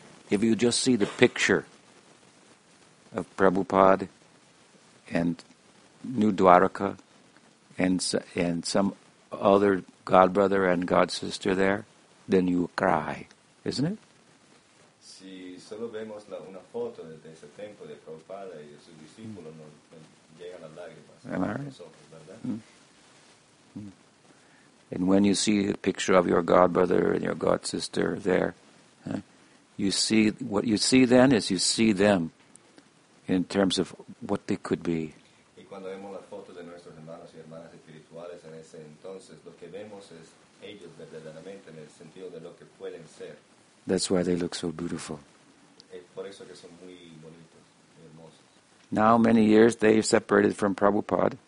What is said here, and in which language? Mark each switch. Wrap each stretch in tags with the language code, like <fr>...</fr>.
<en>If you just see the picture of Prabhupada and New Dwaraka and some other god brother and god sister there, then you cry, isn't it?</en> <es>Si solo vemos una foto de ese tiempo de Prabhupada y de su discípulo, no llegan las lágrimas.</es> <en>Am I right? And when you see a picture of your god brother and your god sister there, you see them in terms of what they could be.</en> <es>Y cuando vemos las fotos de nuestros hermanos y hermanas espirituales en ese entonces, lo que vemos es ellos verdaderamente en el sentido de lo que pueden ser.</es> <en>That's why they look so beautiful.</en> <es>Es por eso que son muy bonitos, hermosos.</es> <en>Now many years they've separated from Prabhupada.</en>